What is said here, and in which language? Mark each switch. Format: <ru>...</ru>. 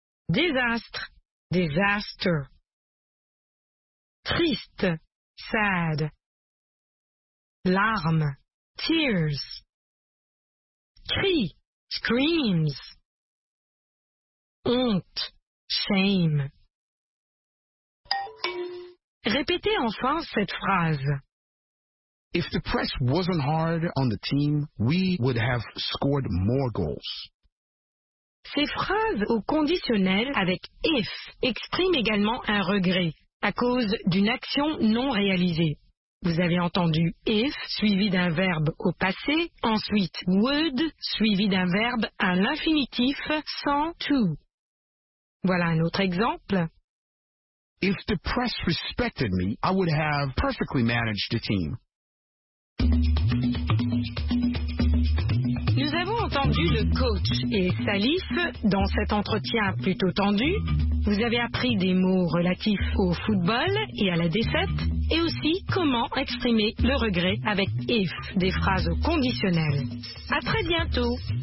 <fr>Désastre, disaster. Triste. Sad. Larmes. Tears. Cris. Screams. Honte. Shame. Répétez enfin cette phrase.</fr> <en>If the press wasn't hard on the team, we would have scored more goals.</en> <fr>Ces phrases au conditionnel avec if expriment également un regret à cause d'une action non réalisée. Vous avez entendu if suivi d'un verbe au passé, ensuite would suivi d'un verbe à l'infinitif sans to. Voilà un autre exemple.</fr> <en>If the press respected me, I would have perfectly managed the team.</en> <fr>Nous avons entendu le coach et Salif dans cet entretien plutôt tendu. Vous avez appris des mots relatifs au football et à la défaite, et aussi comment exprimer le regret avec if, des phrases conditionnelles. À très bientôt.</fr>